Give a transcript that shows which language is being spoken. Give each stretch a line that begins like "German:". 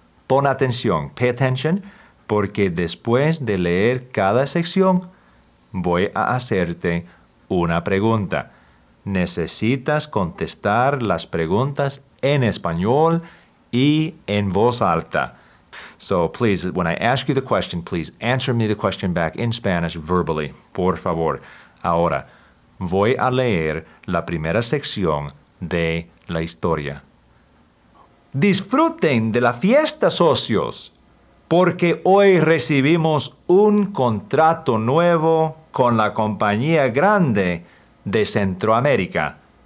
Spanish: Pon atención,
English: pay attention,
Spanish: porque después de leer cada sección, voy a hacerte una pregunta. Necesitas contestar las preguntas en español y en voz alta.
English: So please, when I ask you the question, please answer me the question back in Spanish verbally,
Spanish: por favor. Ahora, voy a leer la primera sección de la historia. ¡Disfruten de la fiesta, socios! Porque hoy recibimos un contrato nuevo con la compañía grande de Centroamérica.